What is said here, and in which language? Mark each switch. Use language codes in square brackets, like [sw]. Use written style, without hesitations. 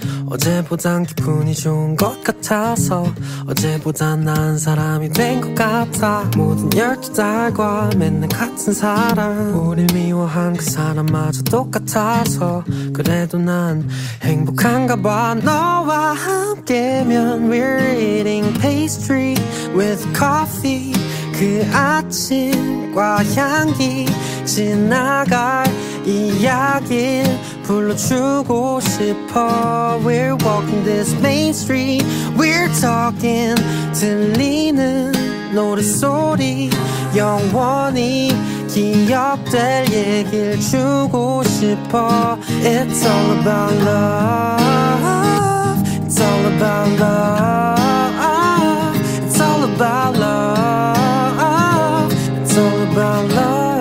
[ko] 어제보단 기분이 좋은 것 같아서 어제보단 나은 사람이 된 것 같아. 모든 열두 달과 맨날 같은 사람, 우릴 미워한 그 사람마저 똑같아서 그래도 난 행복한가 봐. 너와 함께면 [en] we're eating pastry with coffee. [ko] 그 아침과 향기 지나갈 이야기를 불러주고 싶어. [en] We're walking this main street, we're talking, [ko] 들리는 노래소리 영원히 기억될 얘기를 주고 싶어. [en] It's all about love, it's all about love, it's all about love, it's all about love.